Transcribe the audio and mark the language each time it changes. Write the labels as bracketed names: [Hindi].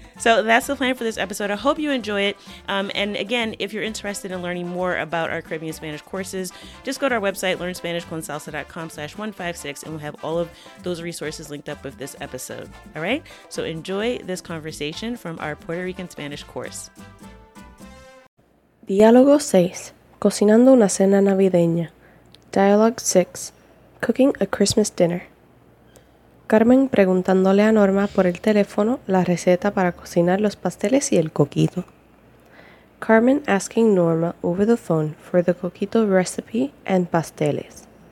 [English] So that's the plan for this episode. I hope you enjoy it. And again, if you're interested in learning more about our Caribbean Spanish courses, just go to our website, learnspanishconsalsa.com/156, and we'll have all of those resources linked up with this episode, all right? So enjoy this conversation from our Puerto Rican Spanish course. [Spanish] Diálogo 6. Cocinando una cena navideña. [English] Dialogue 6. Cooking a Christmas dinner. [Spanish] Carmen preguntándole a Norma por el teléfono la receta para cocinar los pasteles y el coquito. [English] Carmen asking Norma over the phone for the coquito recipe and pasteles.